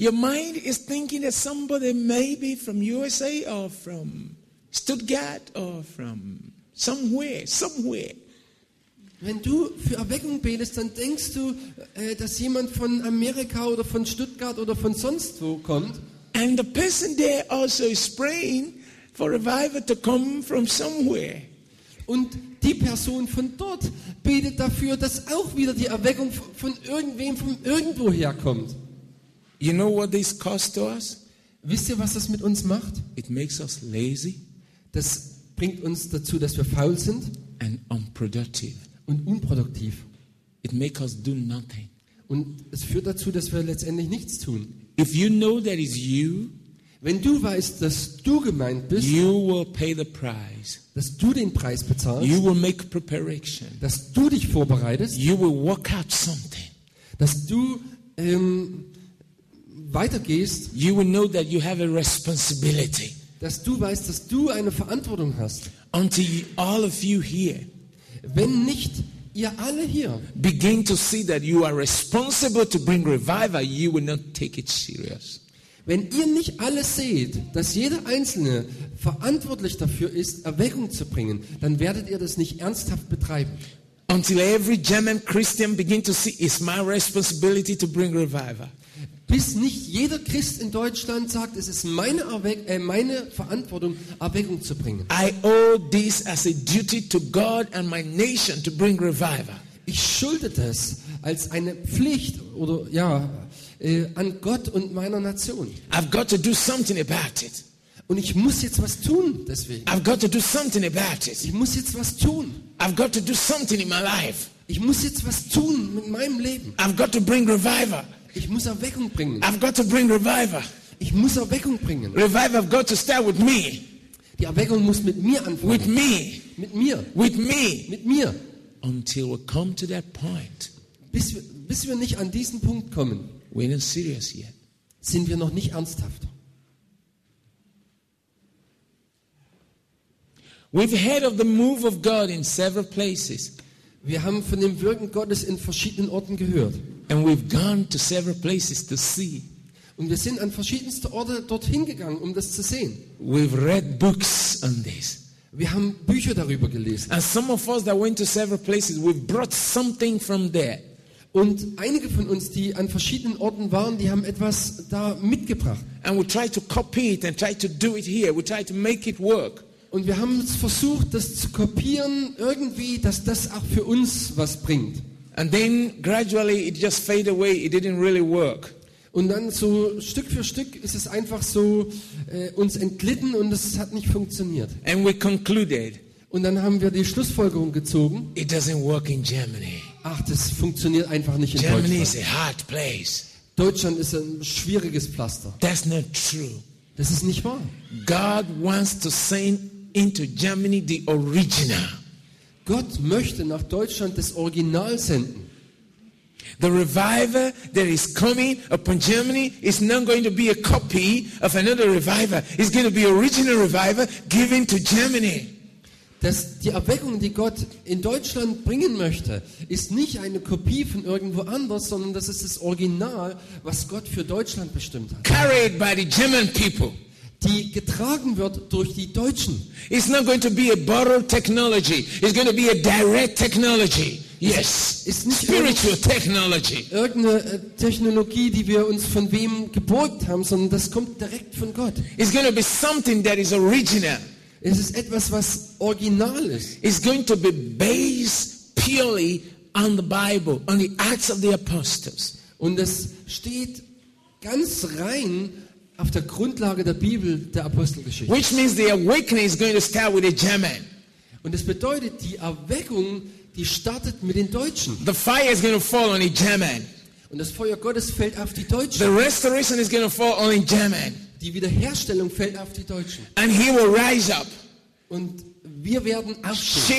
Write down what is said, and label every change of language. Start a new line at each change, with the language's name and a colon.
English: your mind is thinking that somebody maybe from USA or from Stuttgart or from somewhere.
German: Wenn du für Erweckung betest, dann denkst du, dass jemand von Amerika oder von Stuttgart oder von sonst wo kommt.
English: And the person there also is praying for revival to come from somewhere.
German: Und die Person von dort betet dafür, dass auch wieder die Erweckung von irgendwem von irgendwo herkommt.
English: You know what this costs to us?
German: Wisst ihr, was das mit uns macht?
English: It makes us lazy.
German: Das bringt uns dazu, dass wir faul sind.
English: And unproductive.
German: Und unproduktiv.
English: It makes us do nothing.
German: Und es führt dazu, dass wir letztendlich nichts tun.
English: If you know that is you,
German: wenn du weißt, dass du gemeint bist,
English: you will pay the price.
German: Dass du den Preis bezahlst,
English: you will make preparation.
German: Dass du dich vorbereitest,
English: you will work out something.
German: Dass du weitergehst,
English: you will know that you have a responsibility.
German: Dass du weißt, dass du eine Verantwortung hast.
English: Until all of you here,
German: wenn nicht ihr alle hier
English: begin to see that you are responsible to bring revival, you will not take it serious.
German: Wenn ihr nicht alle seht, dass jeder Einzelne verantwortlich dafür ist, Erweckung zu bringen, dann werdet ihr das nicht ernsthaft betreiben.
English: Until every German Christian begin to see it's my responsibility to bring revival.
German: Bis nicht jeder Christ in Deutschland sagt, es ist meine Verantwortung, Erweckung zu bringen.
English: I owe this as a duty to God and my nation to bring revival.
German: Ich schulde das als eine Pflicht oder ja an Gott und meiner Nation.
English: I've got to do something about it.
German: Und ich muss jetzt was tun deswegen.
English: I've got to do something about it.
German: Ich muss jetzt was tun.
English: I've got to do something in my life.
German: Ich muss jetzt was tun mit meinem Leben.
English: I've got to bring revival.
German: Ich muss Erweckung bringen.
English: I've got to bring revival.
German: Ich muss Erweckung bringen.
English: Revival of God to start with me.
German: Die Erweckung muss mit mir anfangen.
English: With me.
German: Mit mir.
English: With me.
German: Mit mir.
English: Until we come to that point.
German: Bis wir nicht an diesen Punkt kommen.
English: We're not serious yet.
German: Sind wir noch nicht ernsthaft.
English: We've heard of the move of God in several places.
German: Wir haben von dem Wirken Gottes in verschiedenen Orten gehört.
English: And we've gone to several places to see.
German: Und wir sind an verschiedenste Orte dorthin gegangen, um das zu sehen.
English: We've read books on this.
German: Wir haben Bücher darüber gelesen.
English: And some of us that went to several places, we've brought something from there.
German: Und einige von uns, die an verschiedenen Orten waren, die haben etwas da mitgebracht.
English: And we try to copy it and try to do it here. We try to make it work.
German: Und wir haben es versucht, das zu kopieren, irgendwie, dass das auch für uns was bringt.
English: And then gradually it just faded away. It didn't really work.
German: Und dann so Stück für Stück ist es einfach so uns entglitten und es hat nicht funktioniert.
English: And we concluded.
German: Und dann haben wir die Schlussfolgerung gezogen.
English: It doesn't work in Germany.
German: Ach, das funktioniert einfach nicht in
English: Germany
German: Deutschland.
English: Is a hard place.
German: Deutschland ist ein schwieriges Pflaster.
English: That's not true.
German: Das ist nicht wahr.
English: God wants to send into Germany the original.
German: Gott möchte nach Deutschland das Original senden.
English: The revival that is coming upon Germany is not going to be a copy of another revival. It's going to be original revival given to Germany.
German: Dass die Erweckung, die Gott in Deutschland bringen möchte, ist nicht eine Kopie von irgendwo anders, sondern das ist das Original, was Gott für Deutschland bestimmt hat.
English: Carried by the German people.
German: Die getragen wird durch die Deutschen.
English: It's not going to be a borrowed technology. It's going to be a direct technology. Yes,
German: ist nicht
English: spiritual technology.
German: Irgendeine Technologie, die wir uns von wem geborgt haben, sondern das kommt direkt von Gott.
English: It's going to be something that is original.
German: Es ist etwas, was original ist.
English: It's going to be based purely on the Bible, on the Acts of the Apostles.
German: Und es steht ganz rein auf der Grundlage der Bibel, der Apostelgeschichte.
English: Which means the awakening is going to start with the German.
German: Und es bedeutet, die Erweckung, die startet mit den Deutschen.
English: The fire is going to fall on the German.
German: Und das Feuer Gottes fällt auf die Deutschen.
English: The restoration is going to fall on the German.
German: Die Wiederherstellung fällt auf die Deutschen.
English: And he will rise up.
German: Und wir werden aufstehen.